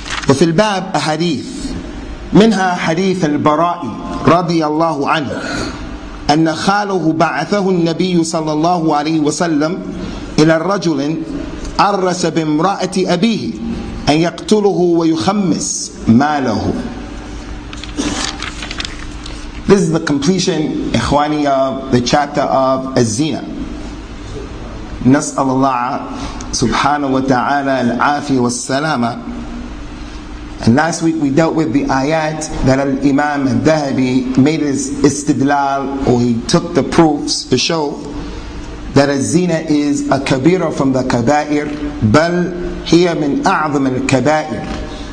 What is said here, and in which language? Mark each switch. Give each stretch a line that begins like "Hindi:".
Arabic: وفي الباب أحاديث منها حديث البراء رضي الله عنه أن خاله بعثه النبي صلى الله عليه وسلم إلى رجل عرس بامرأة أبيه أن يقتله ويخمس ماله.
English: This is the completion, إخواني, of the chapter of الزنا.
Arabic: نسأل الله سبحانه وتعالى العافية والسلامة.
English: And last week we dealt with the ayat that Al-Imam Dhahabi made his istidlal, or he took the proofs to show that الزنا is a kabira from the kabair,
Arabic: بل هي من أعظم الكبائر.